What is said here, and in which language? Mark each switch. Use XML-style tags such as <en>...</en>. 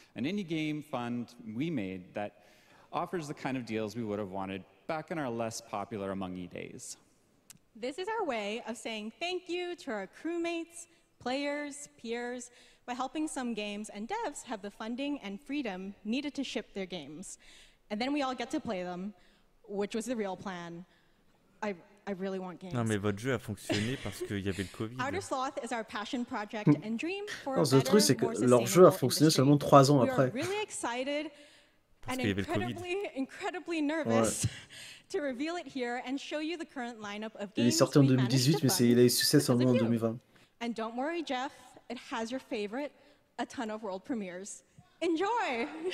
<en>An indie game fund we made that offers the kind of deals we would have wanted back in our less popular Among E days. This is our way of saying thank you to our crewmates, players, peers, by helping some games and devs have the funding and freedom needed to ship their games. And then we all get to play them, which was the real plan. I really want games.</en> <fr>Non, mais votre jeu a fonctionné parce qu'il y avait le Covid.</fr> <en>Outer Sloth is our passion project and dream for a better, more sustainable industry.</en> <fr>Non, le truc, c'est que leur jeu a fonctionné seulement 3 ans après.</fr> <en>We are really excited and incredibly nervous to reveal it here and show you the current lineup of games.</en> <fr>Il est sorti en 2018, mais il a eu succès seulement en 2020.</fr> <en>And don't worry, Jeff, it has your favorite, a ton of world premieres. Enjoy!</en>